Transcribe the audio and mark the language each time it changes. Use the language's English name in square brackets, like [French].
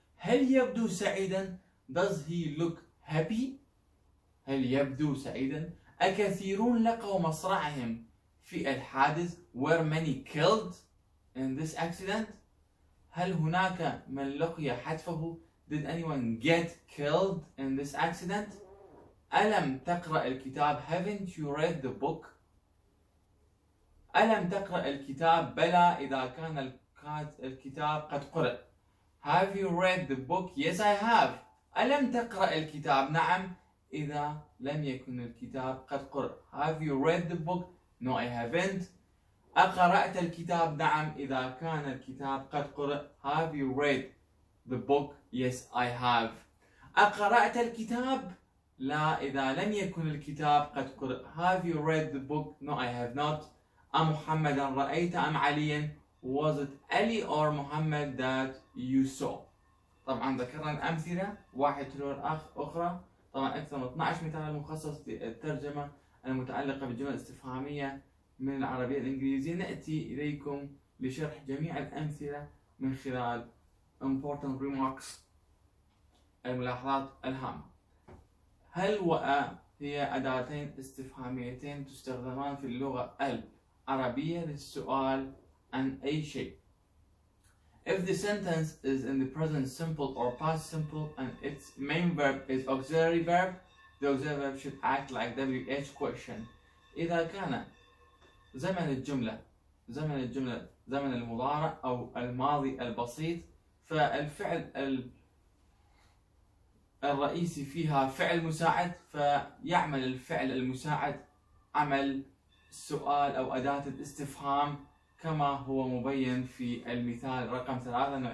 [Arabic] هل يبدو سعيدا؟ [English] Does he look happy؟ [Arabic] هل يبدو سعيدا؟ أكثيرون لقوا مصرعهم في الحادث؟ [English] Were many killed in this accident؟ [Arabic] هل هناك من لقي حتفه؟ [English] Did anyone get killed in this accident؟ [Arabic] ألم تقرأ الكتاب؟ [English] Haven't you read the book؟ [Arabic] ألم تقرأ الكتاب؟ بلى إذا كان الكتاب قد قرأ. [English] Have you read the book؟ Yes I have. [Arabic] ألم تقرأ الكتاب؟ نعم إذا لم يكن الكتاب قد قرأ. [English] Have you read the book؟ No I haven't. [Arabic] أقرأت الكتاب؟ نعم إذا كان الكتاب قد قرأ. [English] Have you read the book؟ Yes I have. [Arabic] أقرأت الكتاب؟ لا إذا لم يكن الكتاب قد قرأ. [English] Have you read the book؟ No I have not. [Arabic] أم محمدا رأيت أم عليا؟ [English] Was it Ali or Muhammad that you saw؟ [Arabic] طبعا ذكرنا الأمثلة واحد تلو أخرى. طبعا أكثر من 12 مثال مخصص للترجمة المتعلقة بالجمل الاستفهامية من العربية الإنجليزية. نأتي إليكم لشرح جميع الأمثلة من خلال [English] important remarks [Arabic] الملاحظات الهامة. هل وأ هي أداتين استفهاميتين تستخدمان في اللغة العربية للسؤال عن أي شيء. [English] If the sentence is in the present simple or past simple and its main verb is auxiliary verb, the auxiliary verb should act like WH question. [Arabic] إذا كان زمن الجملة زمن المضارع أو الماضي البسيط فالفعل الرئيسي فيها فعل مساعد فيعمل الفعل المساعد عمل سؤال أو أداة الاستفهام كما هو مبين في المثال رقم 3.